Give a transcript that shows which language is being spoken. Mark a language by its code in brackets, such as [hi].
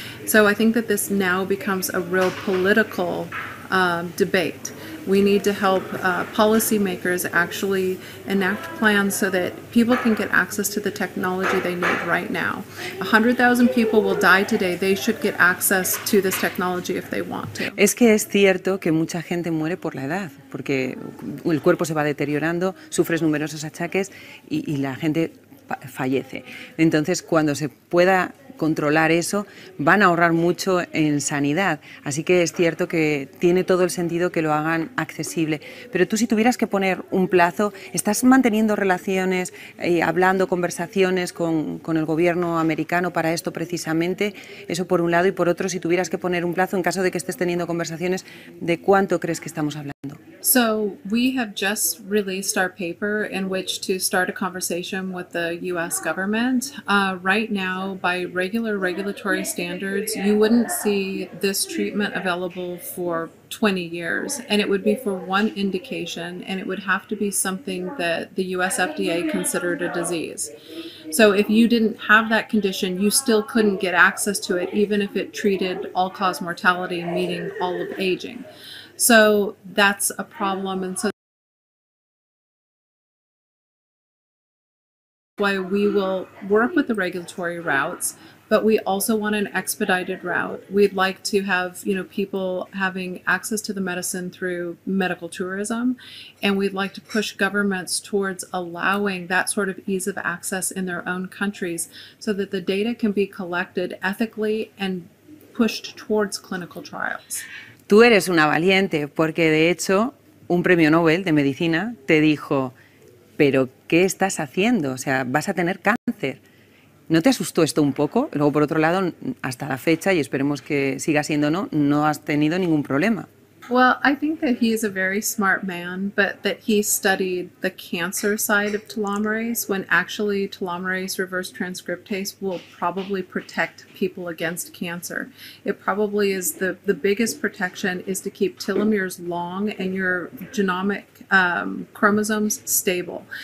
[en] So I think that this now becomes a real political debate. We need to help policymakers actually enact plans so that people can get access to the technology they need right now. 100,000 people will die today. They should get access to this technology if they want to. [es] Es que es cierto que mucha gente muere por la edad, porque el cuerpo se va deteriorando, sufres numerosos achaques y la gente fallece. Entonces, cuando se pueda controlar eso, van a ahorrar mucho en sanidad. Así que es cierto que tiene todo el sentido que lo hagan accesible. Pero tú, si tuvieras que poner un plazo, ¿estás manteniendo relaciones, hablando, conversaciones con el gobierno americano para esto precisamente? Eso por un lado. Y por otro, si tuvieras que poner un plazo, en caso de que estés teniendo conversaciones, ¿de cuánto crees que estamos hablando? [en] So we have just released our paper in which to start a conversation with the U.S. government. Right now, by regular regulatory standards, you wouldn't see this treatment available for 20 years, and it would be for one indication, and it would have to be something that the U.S. FDA considered a disease. So if you didn't have that condition, you still couldn't get access to it, even if it treated all-cause mortality, meaning all of aging. So that's a problem, and so why we will work with the regulatory routes, but we also want an expedited route. We'd like to have, you know, people having access to the medicine through medical tourism, and we'd like to push governments towards allowing that sort of ease of access in their own countries so that the data can be collected ethically and pushed towards clinical trials. [es] Tú eres una valiente porque, de hecho, un premio Nobel de medicina te dijo, pero ¿qué estás haciendo? O sea, vas a tener cáncer. ¿No te asustó esto un poco? Luego, por otro lado, hasta la fecha, y esperemos que siga siendo no, no has tenido ningún problema. [en] Well, I think that he is a very smart man, but that he studied the cancer side of telomerase when actually telomerase reverse transcriptase will probably protect people against cancer. It probably is the biggest protection is to keep telomeres long and your genomic chromosomes stable.